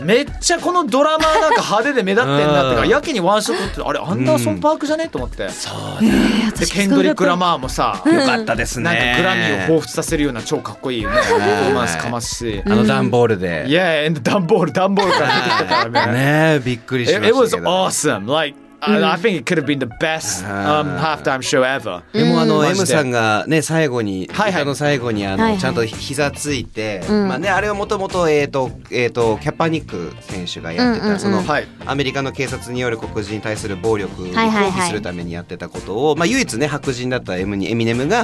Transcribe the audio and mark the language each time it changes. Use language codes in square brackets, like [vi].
[ja] めっちゃこのドラマなんか派手で目立ってんなってか、やけにワンショットってあれアンダーソンパークじゃねと思って、そうだ、ケンドリック・ラマーもさ、よかったですね、なんかグラミーを彷彿させるような超かっこいいパフォーマンスかますし、あのダンボールで、いやいや、ダンボールからねえ、びっくりしましたけど、 [en] It was awesome. Like、うん、I think it could have been the best、halftime show ever。 [ja] でもM さんがね、最後に、はいはい、歌の最後にちゃんと膝ついて、はいはい、まあね、あれはもともとキャパニック選手がやってた、うんうんうん、その、はい、アメリカの警察による黒人に対する暴力を抗議するためにやってたことを、はいはいはい、まあ、唯一ね、白人だったエミネムが、